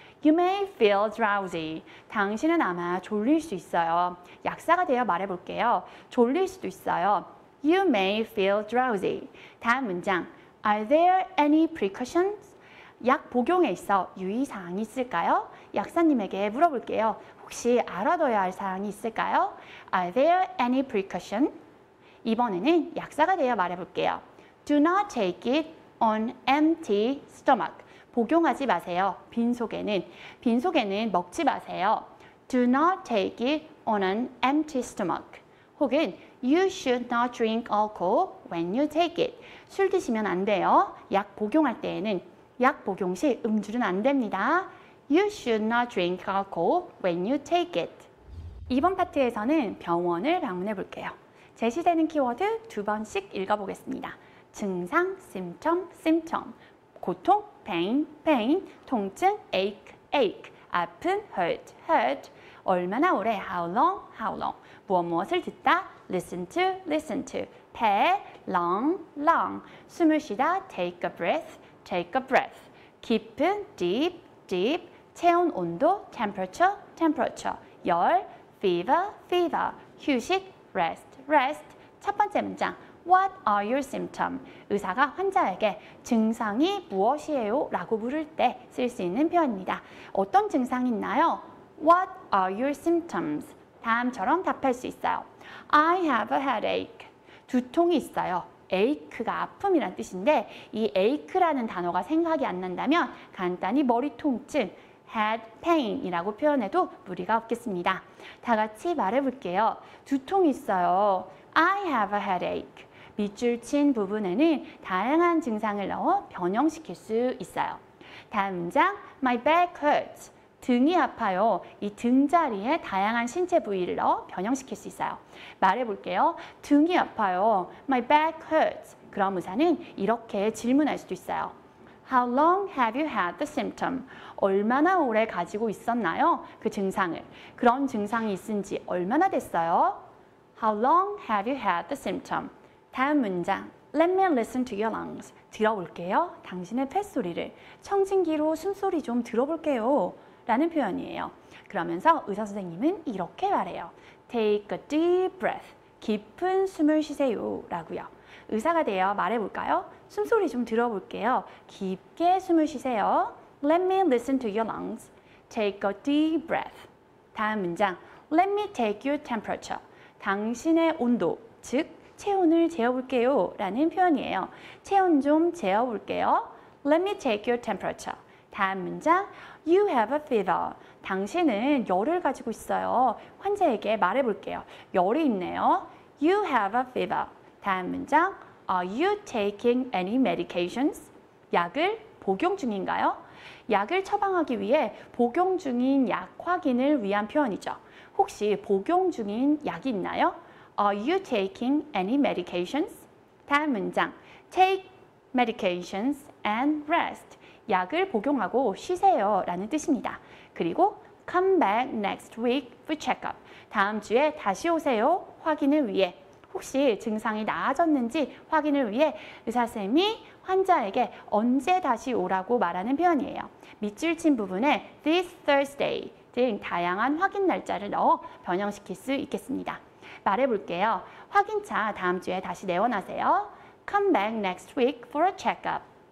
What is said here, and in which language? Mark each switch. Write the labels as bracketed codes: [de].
[en] You may feel drowsy. [ko] 당신은 아마 졸릴 수 있어요. 약사가 되어 말해볼게요. 졸릴 수도 있어요. [en] You may feel drowsy. [ko] 다음 문장. [en] Are there any precautions? [ko] 약 복용에 있어 유의사항이 있을까요? 약사님에게 물어볼게요. 혹시 알아둬야 할 사항이 있을까요? [en] Are there any precautions? [ko] 이번에는 약사가 되어 말해볼게요. [en] Do not take it on empty stomach. [ko] 복용하지 마세요. 빈속에는. 빈속에는 먹지 마세요. [en] Do not take it on an empty stomach. [ko] 혹은 [en] You should not drink alcohol when you take it. [ko] 술 드시면 안 돼요. 약 복용할 때에는 약 복용 시 음주는 안 됩니다. [en] You should not drink alcohol when you take it. [ko] 이번 파트에서는 병원을 방문해 볼게요. 제시되는 키워드 두 번씩 읽어보겠습니다. 증상, [en] symptom, symptom. [ko] 고통, [en] pain, pain, [ko] 통증, [en] ache, ache, [ko] 아픈, [en] hurt, hurt, [ko] 얼마나 오래, [en] how long, how long, [ko] 무엇무엇을 듣다, [en] listen to, listen to, [ko] 폐, [en] long, long, [ko] 숨을 쉬다, [en] take a breath, take a breath, [ko] 깊은, [en] deep, deep, [ko] 체온 온도, [en] temperature, temperature, [ko] 열, [en] fever, fever, [ko] 휴식, [en] rest, rest. [ko] 첫 번째 문장, [en] what are your symptoms? [ko] 의사가 환자에게 증상이 무엇이에요? 라고 물을 때 쓸 수 있는 표현입니다. 어떤 증상이 있나요? [en] What are your symptoms? [ko] 다음처럼 답할 수 있어요. [en] I have a headache. [ko] 두통이 있어요. ache가 아픔이란 뜻인데 이 ache라는 단어가 생각이 안 난다면 간단히 머리 통증, [en] head pain [ko] 이라고 표현해도 무리가 없겠습니다. 다 같이 말해볼게요. 두통이 있어요. [en] I have a headache. [ko] 밑줄 친 부분에는 다양한 증상을 넣어 변형시킬 수 있어요. 다음 문장, [en] my back hurts. [ko] 등이 아파요. 이 등 자리에 다양한 신체 부위를 넣어 변형시킬 수 있어요. 말해볼게요. 등이 아파요. [en] My back hurts. [ko] 그럼 의사는 이렇게 질문할 수도 있어요. [en] How long have you had the symptom? [ko] 얼마나 오래 가지고 있었나요? 그 증상을. 그런 증상이 있은 지 얼마나 됐어요? [en] How long have you had the symptom? [ko] 다음 문장. [en] Let me listen to your lungs. [ko] 들어볼게요. 당신의 폐소리를. 청진기로 숨소리 좀 들어볼게요. 라는 표현이에요. 그러면서 의사 선생님은 이렇게 말해요. [en] Take a deep breath. [ko] 깊은 숨을 쉬세요. 라고요. 의사가 되어 말해볼까요? 숨소리 좀 들어볼게요. 깊게 숨을 쉬세요. [en] Let me listen to your lungs. Take a deep breath. [ko] 다음 문장. [en] Let me take your temperature. [ko] 당신의 온도, 즉 체온을 재어볼게요. 라는 표현이에요. 체온 좀 재어볼게요. [en] Let me take your temperature. [ko] 다음 문장, [en] you have a fever. [ko] 당신은 열을 가지고 있어요. 환자에게 말해볼게요. 열이 있네요. [en] You have a fever. [ko] 다음 문장, [en] are you taking any medications? [ko] 약을 복용 중인가요? 약을 처방하기 위해 복용 중인 약 확인을 위한 표현이죠. 혹시 복용 중인 약이 있나요? [en] Are you taking any medications? [ko] 다음 문장, [en] take medications and rest. [ko] 약을 복용하고 쉬세요 라는 뜻입니다. 그리고 [en] come back next week for checkup. [ko] 다음 주에 다시 오세요 확인을 위해. 혹시 증상이 나아졌는지 확인을 위해 의사쌤이 환자에게 언제 다시 오라고 말하는 표현이에요. 밑줄 친 부분에 [en] this Thursday [ko] 등 다양한 확인 날짜를 넣어 변형시킬 수 있겠습니다. 말해볼게요. 확인차 다음 주에 다시 내원하세요. [en] Come back next week for a checkup.